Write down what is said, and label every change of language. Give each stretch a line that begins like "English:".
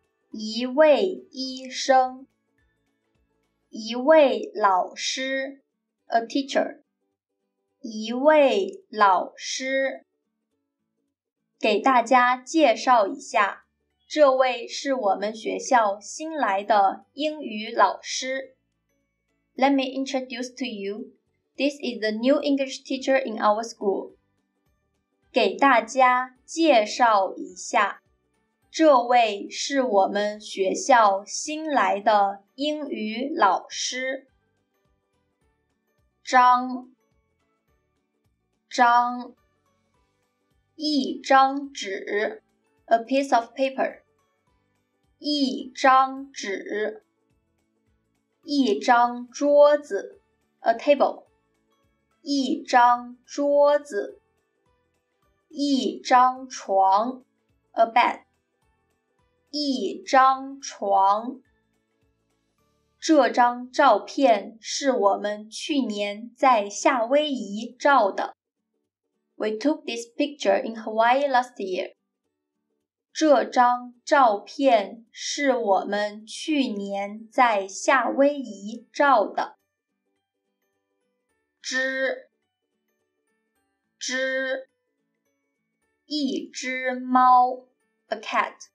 Chinese: 一位医生，一位老师 ，
English: a teacher.
Chinese: 一位老师，给大家介绍一下，这位是我们学校新来的英语老师。
English: Let me introduce to you, this is the new English teacher in our school.
Chinese: 给大家介绍一下，这位是我们学校新来的英语老师。张，张，一张纸 ，
English: a piece of paper。
Chinese: 一张纸，一张桌子 ，
English: a table。
Chinese: 一张桌子，一张床 ，
English: a bed。
Chinese: 一张床，这张照片是我们去年在夏威夷照的。
English: We took this picture in Hawaii last year.
Chinese: 这张照片是我们去年在夏威夷照的。枝，枝，一只猫 ，
English: a cat。